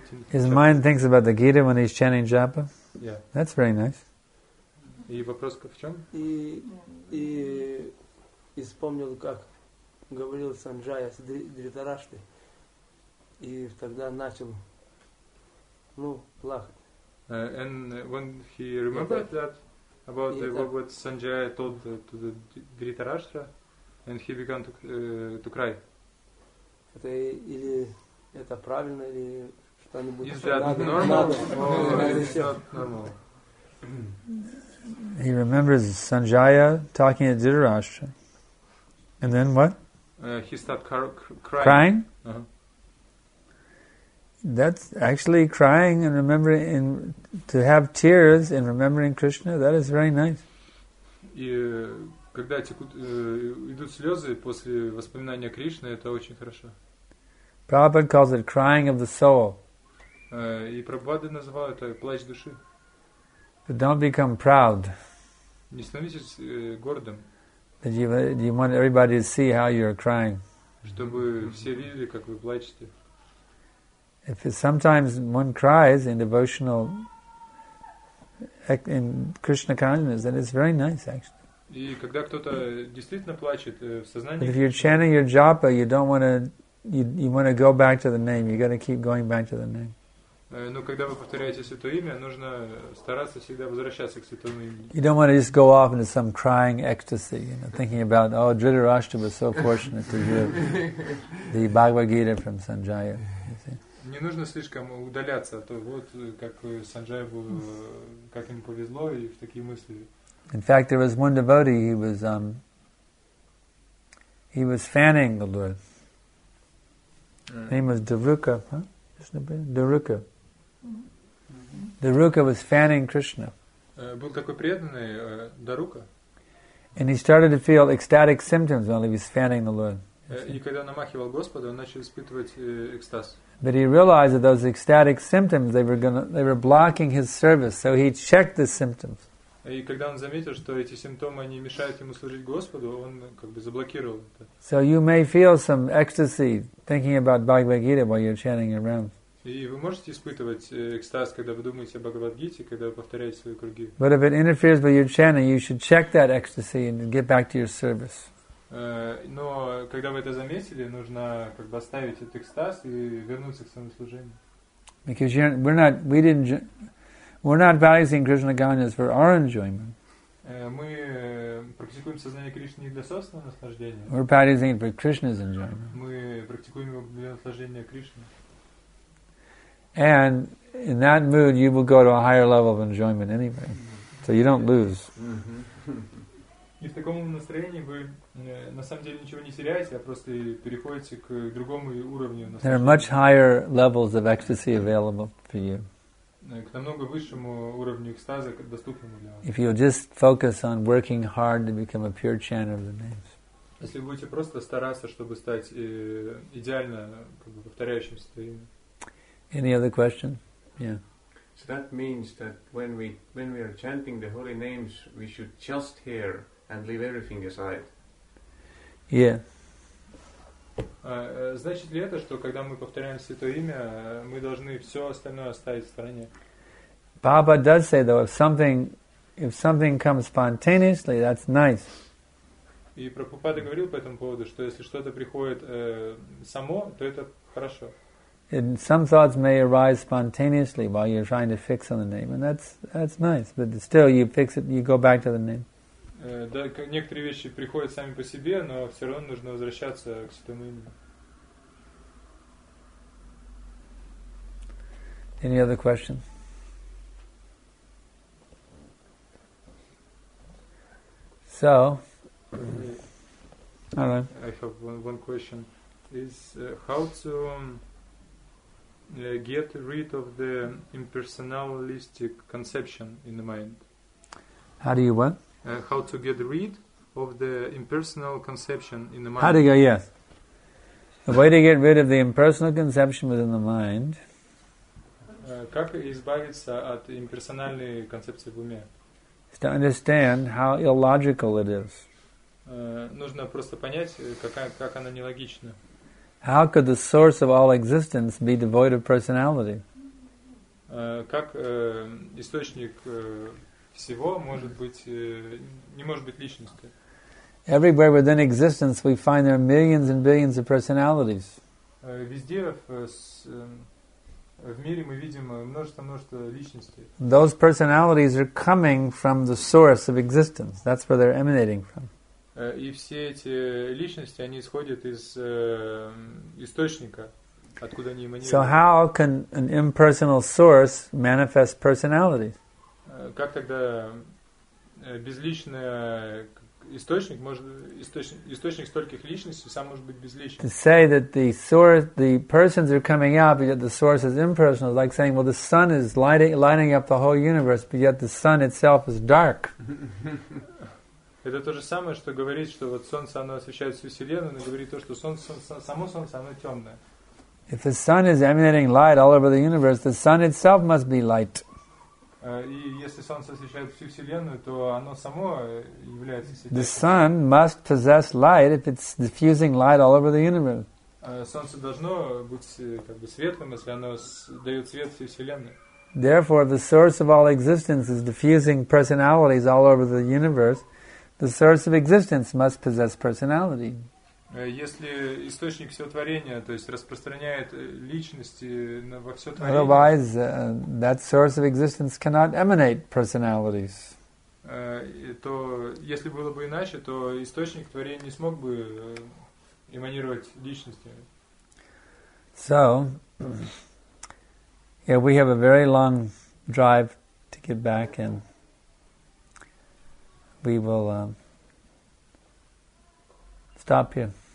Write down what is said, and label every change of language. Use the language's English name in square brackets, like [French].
[English] His mind thinks about the Gita when he's chanting japa. Yeah, that's very nice. [Russian] И вопрос в чем? И вспомнил, как говорил Санджая с Дритарашты, и тогда начал, ну, плакать. [English] And when he remembered that about what Санджая told to the Дритарашта. And he began to cry. [Russian] Это или это правильно или что-нибудь? [English] Is that normal? Or is that normal? He remembers Sanjaya talking to Dhritarashtra. And then what? He started crying. Crying? Uh-huh. That's actually crying and remembering to have tears in remembering Krishna. That is very nice. [Russian] Когда текут, идут слезы после воспоминания Кришны, это очень хорошо. [English] Prabhupada calls it crying of the soul. [Russian] И Прабхупада называл это плач души. [English] But don't become proud. [Russian] Не становитесь гордым. [English] That you want everybody to see how you're crying. [Russian] Чтобы все видели, как вы плачете. [English] If sometimes one cries in devotional in Krishna consciousness, then it's very nice actually. [Russian] И когда кто-то действительно плачет в сознании. [English] But if you're chanting your japa, you don't want to. You want to go back to the name. You got to keep going back to the name. [Russian] Но когда вы повторяете святое имя, нужно стараться всегда возвращаться к святому имени. [English] You don't want to just go off into some crying ecstasy, you know, thinking about, oh, Dhritarashtra was so fortunate to hear the Bhagavad Gita from Sanjaya. [Russian] Не нужно слишком удаляться, а то вот как Санджай был, как ему повезло, и в такие мысли. [English] In fact, there was one devotee, he was fanning the Lord. Name was Daruka, huh? Даруко. Даруко was fanning Krishna. [Russian] Был такой преданный Даруко. [English] And he started to feel ecstatic symptoms while he was fanning the Lord. [Russian] И когда намахивал Господа, он начал испытывать экстаз. [English] But he realized that those ecstatic symptoms they were blocking his service, so he checked the symptoms. [Russian] И когда он заметил, что эти симптомы они мешают ему служить Господу, он как бы заблокировал это. [English] So you may feel some ecstasy thinking about Bhagavad Gita while you're chanting your rounds. [Russian] И вы можете испытывать экстаз, когда вы думаете о Бхагавад-гите, когда вы повторяете свои круги. [English] But if it interferes with your chanting, you should check that ecstasy and get back to your service. [Russian] Но когда вы это заметили, нужно как бы оставить этот экстаз и вернуться к своему служению. [English] Because we're not practicing Krishna Ganas for our enjoyment. [Russian] Мы практикуем сознание Кришны не для собственного наслаждения. [English] We're practicing for Krishna's enjoyment. [Russian] Мы практикуем его для наслаждения Кришны. [English] And in that mood, you will go to a higher level of enjoyment anyway, so you don't lose. [Russian] И в таком настроении вы на самом деле ничего не теряете, а просто переходите к другому уровню наслаждения. There are much higher levels of ecstasy available for you. К намного высшему уровню экстаза, доступному для вас. [English] If you just focus on working hard to become a pure chanter of the names. [Russian] Если вы будете просто стараться, чтобы стать идеально как бы повторяющим святое имя. [English] Any other question? Yeah. So that means that when we are chanting the holy names, we should just hear and leave everything aside. Yeah. [Russian] Значит ли это, что когда мы повторяем святое имя, мы должны все остальное оставить в стороне? [English] Baba does say though, if something comes spontaneously, that's nice. [Russian] И Прабхупада говорил по этому поводу, что если что-то приходит само, то это хорошо. [English] And some thoughts may arise spontaneously while you're trying to fix on the name, and that's nice. But still, you fix it, you go back to the name. [Russian] Да, некоторые вещи приходят сами по себе, но все равно нужно возвращаться к святому имени. [English] Any other question? So, all right. I have one question. Is how to get rid of the impersonalistic conception in the mind? How do you what? How to get rid of the impersonal conception in the mind? How to go? Yes, the way to get rid of the impersonal conception within the mind. [Russian] Как избавиться от имперсональной концепции в уме? [English] Is to understand how illogical it is. [Russian] Нужно просто понять, как она нелогична. [English] How could the source of all existence be devoid of personality? [Russian] Как источник всего может быть не может быть личностью? [English] Everywhere within existence we find there are millions and billions of personalities. [Russian] Везде в мире мы видим множество личностей. [English] Those personalities are coming from the source of existence. That's where they're emanating from. [Russian] И все эти личности они исходят из источника, откуда они эманируют. [English] So how can an impersonal source manifest personality? [Russian] Как тогда безличный источник может источник стольких личностей сам может быть безличным? [English] To say that the source, the persons are coming out, but yet the source is impersonal, like saying, well, the sun is lighting up the whole universe, but yet the sun itself is dark. [Russian] Это то же самое, что говорить, что вот солнце оно освещает всю вселенную, но говорить то, что само солнце оно темное. [English] If the sun is emanating light all over the universe, the sun itself must be light. [Russian] И если солнце освещает всю вселенную, то оно само является светом. [English] The sun must possess light if it's diffusing light all over the universe. [Russian] Солнце должно быть как бы светлым, если оно дает свет всей вселенной. [English] Therefore, the source of all existence is diffusing personalities all over the universe. The source of existence must possess personality. [Russian] Если источник всего творения, то есть распространяет личности во все творение. [English] Otherwise, that source of existence cannot emanate personalities. [Russian] То если было бы иначе, то источник творения не смог бы эманировать личностями. [English] So, yeah, we have a very long drive to get back, and we will stop here.